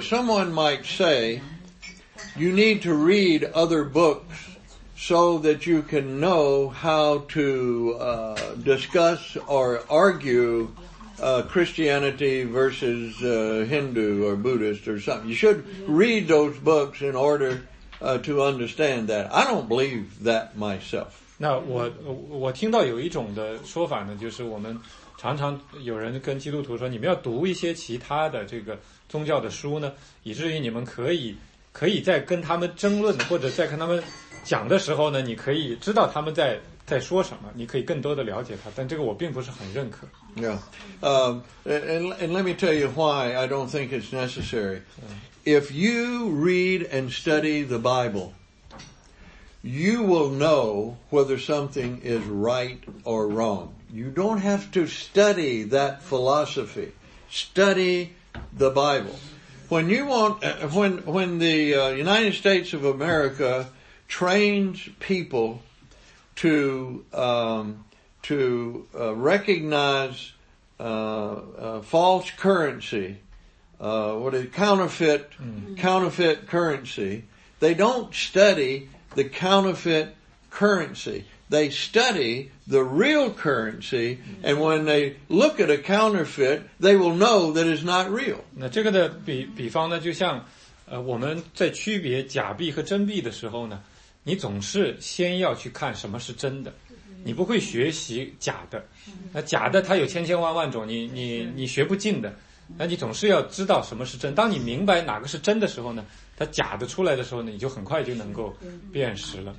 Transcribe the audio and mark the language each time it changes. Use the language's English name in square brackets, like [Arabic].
[English] Someone might say, you need to read other books so that you can know how to discuss or argue Christianity versus Hindu or Buddhist or something. You should read those books in order to understand that. I don't believe that myself. [Chinese] 那我听到有一种的说法呢，就是我们常常有人跟基督徒说，你们要读一些其他的这个宗教的书呢，以至于你们可以在跟他们争论或者在跟他们讲的时候呢，你可以知道他们在说什么，你可以更多的了解他，但这个我并不是很认可。 [English] And let me tell you why I don't think it's necessary. If you read and study the Bible, you will know whether something is right or wrong. You don't have to study that philosophy. Study the Bible. When the United States of America trains people to recognize false currency, what is counterfeit, counterfeit currency, they don't study the counterfeit currency. They study the real currency, and when they look at a counterfeit, they will know that it's not real. [Chinese] 那这个的比方呢，就像我们在区别假币和真币的时候呢，你总是先要去看什么是真的，你不会学习假的。那假的它有千千万万种，你学不尽的。那你总是要知道什么是真。当你明白哪个是真的时候呢，它假的出来的时候呢，你就很快就能够辨识了。